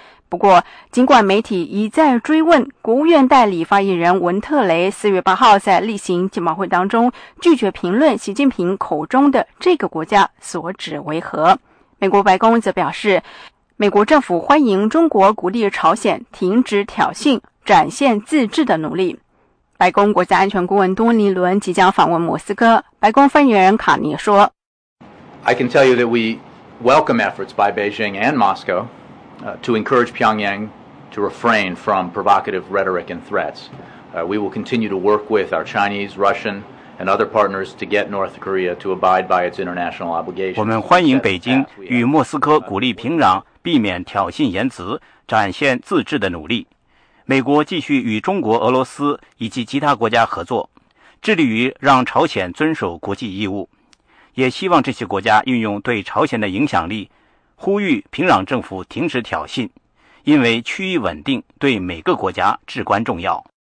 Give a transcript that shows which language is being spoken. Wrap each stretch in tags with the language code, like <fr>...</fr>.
<zh>不过，尽管媒体一再追问，国务院代理发言人文特雷4月8号在例行简报会当中拒绝评论习近平口中的这个国家所指为何，美国白宫则表示，美国政府欢迎中国鼓励朝鲜停止挑衅，展现自治的努力。白宫国家安全顾问多尼伦即将访问莫斯科，白宫发言人卡尼说</zh> <en>I can tell you that we welcome efforts by Beijing and Moscow. To encourage Pyongyang to refrain from provocative rhetoric and threats. We will continue to work with our Chinese, Russian, and other partners to get North Korea to abide by its international obligations.</en> <zh>我们欢迎北京与莫斯科鼓励平壤避免挑衅言辞，展现自治的努力。美国继续与中国、俄罗斯以及其他国家合作，致力于让朝鲜遵守国际义务，也希望这些国家运用对朝鲜的影响力呼吁平壤政府停止挑衅，因为区域稳定对每个国家至关重要。</zh>